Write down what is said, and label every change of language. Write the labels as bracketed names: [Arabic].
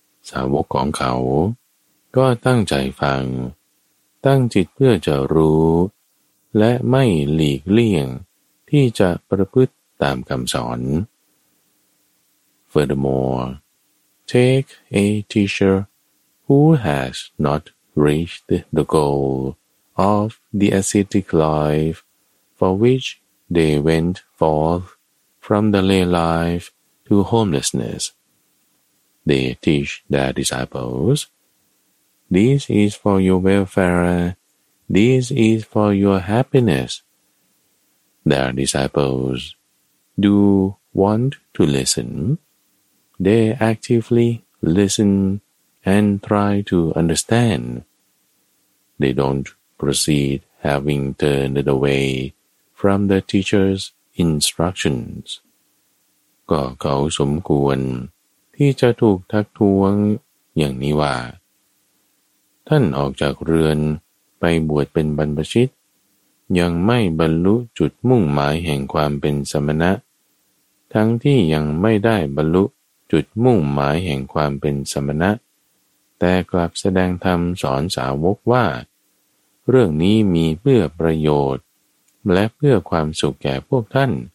[Thai] สาวกของเขาก็ตั้งใจฟังตั้งจิตเพื่อจะรู้และไม่หลีกเลี่ยงที่จะประพฤติตามคำสอน [English] Furthermore, take a teacher who has not reached the goal of the ascetic life for which they went forth from the lay life to homelessness. They teach their disciples, "This is for your welfare." This is for your happiness. Their disciples do want to listen. They actively listen and try to understand. They don't proceed having turned away from the teacher's instructions. [Thai] ก็เขาสมควรที่จะถูกทักท้วงอย่างนี้ว่าท่านออกจากเรือนไปบวชเป็นบรรพชิตยังไม่บรรลุจุดมุ่งหมายแห่งความเป็นสมณะทั้งที่ยังไม่ได้บรรลุจุดมุ่งหมายแห่งความเป็นสมณะแต่กลับแสดงธรรมสอนสาวกว่าเรื่องนี้มีเพื่อประโยชน์และเพื่อความสุขแก่พวกท่าน